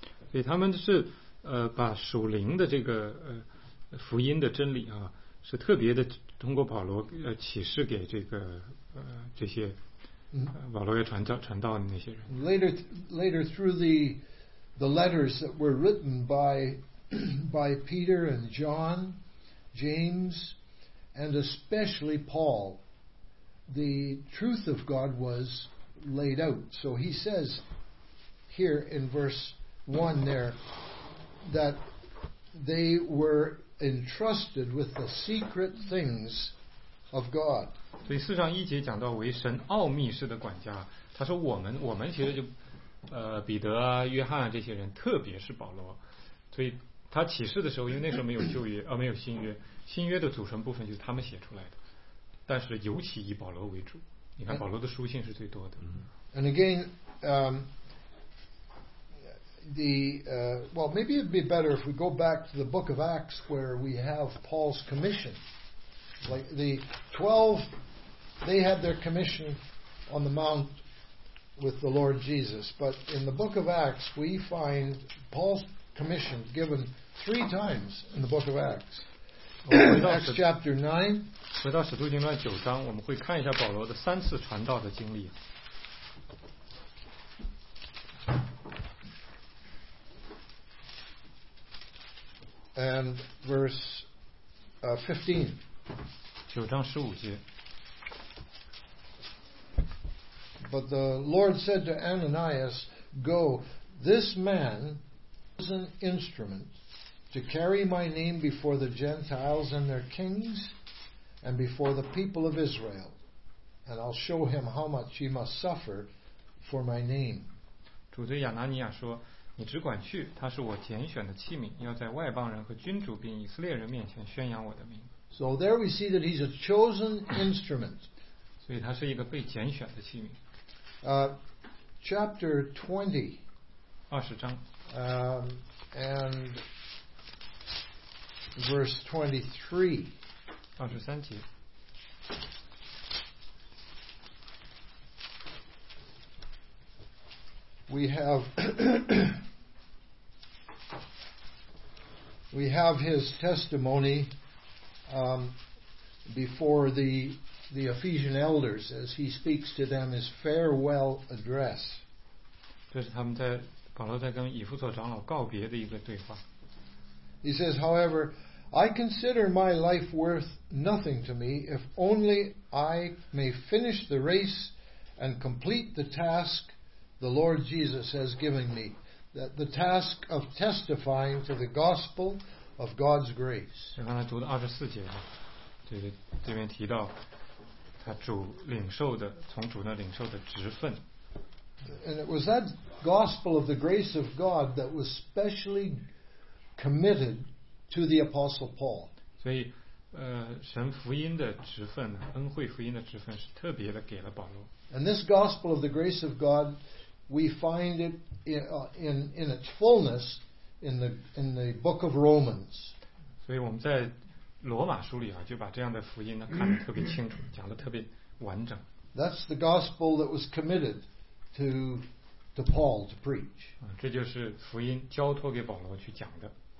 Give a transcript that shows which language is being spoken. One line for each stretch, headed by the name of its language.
Chinese: 所以他们是把属灵的这个福音的真理啊，是特别的通过保罗启示给这个这些保罗也传道的那些人。
English: Later through the letters that were written by Peter and John, James, and especially Paul, the truth of God was laid out. So he says here in verse 1 there that they were entrusted with the secret things of God.
Chinese: 所以四章一节讲到为神奥秘式的管家，他说我们其实就彼得啊约翰啊这些人特别是保罗，所以他启示的时候因为那时候没有旧约没有新约的组成部分就是他们写出来的，但是尤其以保罗为主，你看保罗的书信是最多的。
English: And again well maybe it'd be better if we go back to the book of Acts where we have Paul's commission, like the 12, they had their commission on the mountwith the Lord Jesus, but in the book of Acts we find Paul's commission given three times in the book of Acts. Acts chapter 9.
Chinese: 回到使徒行传九章，我们会看一下保罗的三次传道的经历。
English: And verse 15.
Chinese: 九章十五节。
English: But the Lord said to Ananias, Go, this man is an instrument to carry my name before the Gentiles and their kings and before the people of Israel. And I'll show him how much he must suffer for my name.
Chinese: 主对亚拿尼亚说，你只管去，他是我拣选的器皿，要在外邦人和君主并以色列人面前宣扬我的名。
English: So there we see that he's a chosen instrument.
Chinese: 所以他是一个被拣选的器皿。
English: Chapter 20,
Chinese: 20章
English: and verse 23,
Chinese: 23节
English: we have his testimony before the Ephesian elders as he speaks to them his farewell address.
Chinese: 这是他们在保罗在跟以弗所长老告别的一个对话。
English: He says, however, I consider my life worth nothing to me if only I may finish the race and complete the task the Lord Jesus has given me, that the task of testifying to the gospel of God's grace.
Chinese: 就刚才读的二十四节，这边提到他主领受的，从主那领受的职分。
English: And it was that gospel of the grace of God that was specially committed to the Apostle Paul.
Chinese: 所以，神福音的职分，恩惠福音的职分是特别的给了保罗。
English: And this gospel of the grace of God, we find it in its fullness in the book of Romans.
Chinese: 所以我们在罗马书里啊，就把这样的福音呢看得特别清楚，讲得特别完整。
English: That's the gospel that was committed to Paul to preach.
Chinese: 这就是福音交托给保罗去讲的。